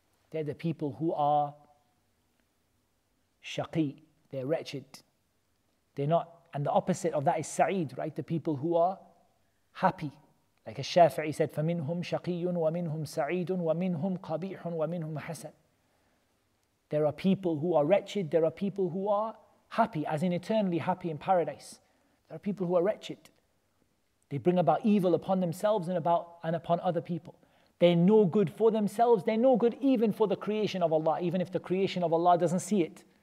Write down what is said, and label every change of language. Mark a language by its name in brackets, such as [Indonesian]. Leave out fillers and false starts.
[English] They're the people who are shaqi, they're wretched. They're not, and the opposite of that is sa'id, right? The people who are happy. Like a Shafi'i said, [Arabic] فَمِنْهُمْ شَقِيٌّ وَمِنْهُمْ سَعِيدٌ وَمِنْهُمْ قَبِيحٌ وَمِنْهُمْ حَسَنٌ. [English] There are people who are wretched, there are people who are happy, as in eternally happy in paradise. There are people who are wretched. They bring about evil upon themselves and upon other people. They're no good for themselves, they're no good even for the creation of Allah, even if the creation of Allah doesn't see it.